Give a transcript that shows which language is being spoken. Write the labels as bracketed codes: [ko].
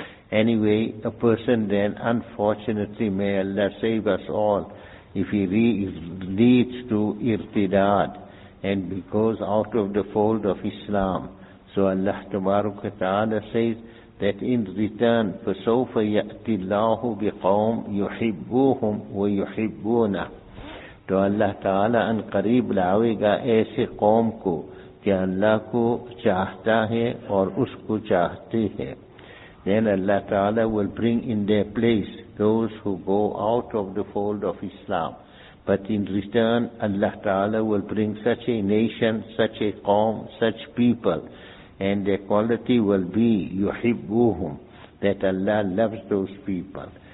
[en] Anyway, a person then, unfortunately, may Allah save us all, if he leads to irtidad, and goes out of the fold of Islam. So Allah tabarak wa ta'ala says that in return, [ar] فَسَوْفَ يَأْتِ اللَّهُ بِقَوْمٍ يُحِبُّوهُمْ وَيُحِبُّونَ. [ur] تو اللہ تعالیٰ ان قریب لاوے گا ایسے قوم کو کہ اللہ کو چاہتا ہے اور اس کو چاہتے ہیں. [en] Then Allah Ta'ala will bring in their place those who go out of the fold of Islam. But in return, Allah Ta'ala will bring such a nation, such a qawm, such people. And their quality will be yuhibbuhum, that Allah loves those people.